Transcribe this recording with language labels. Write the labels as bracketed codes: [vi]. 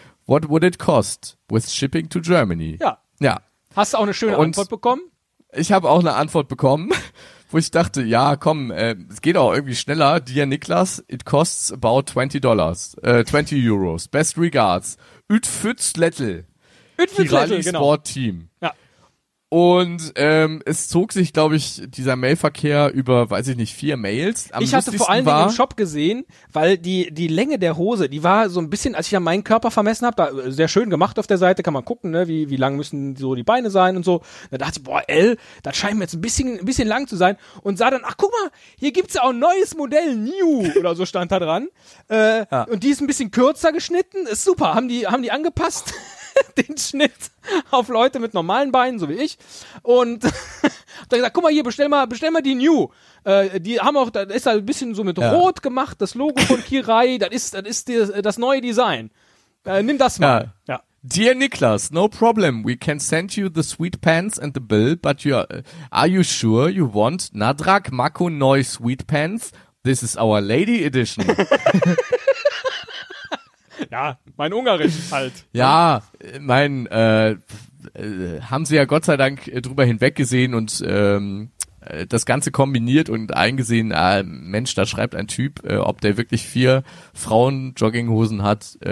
[en] What would it cost with shipping to Germany? [de] Ja. Ja. Hast du auch eine schöne Antwort bekommen? Ich habe auch eine Antwort bekommen, wo ich dachte, ja, komm, es geht auch irgendwie schneller. [en] Dear Niklas, it costs about $20. 20 Euros. Best regards. Ütfützlettl, Kirai Sport Team. [de] Ja. Und es zog sich, glaube ich, dieser Mailverkehr über, weiß ich nicht, 4 Mails. Ich hatte vor allen Dingen im Shop gesehen, weil die Länge der Hose, die war so ein bisschen, als ich ja meinen Körper vermessen habe, da sehr schön gemacht auf der Seite, kann man gucken, ne, wie lang müssen so die Beine sein und so. Da dachte ich, boah, L, das scheint mir jetzt ein bisschen lang zu sein. Und sah dann, ach guck mal, hier gibt's ja auch ein neues Modell, New oder so stand da dran. Und die ist ein bisschen kürzer geschnitten, ist super, haben die angepasst. Den Schnitt auf Leute mit normalen Beinen, so wie ich. Und da gesagt, guck mal hier, bestell mal die New. Die haben auch, das ist halt ein bisschen so mit Rot gemacht, das Logo von Kirai, das ist das neue Design. Nimm das mal. [en] Ja. Ja. Dear Niklas, no problem. We can send you the sweet pants and the bill, but are you sure you want Nadrak Mako Noi sweet pants? This is our lady edition. [de] Ja, mein Ungarisch halt. Ja, mein, haben sie ja Gott sei Dank drüber hinweggesehen und das Ganze kombiniert und eingesehen, Mensch, da schreibt ein Typ, ob der wirklich 4 Frauen-Jogginghosen hat.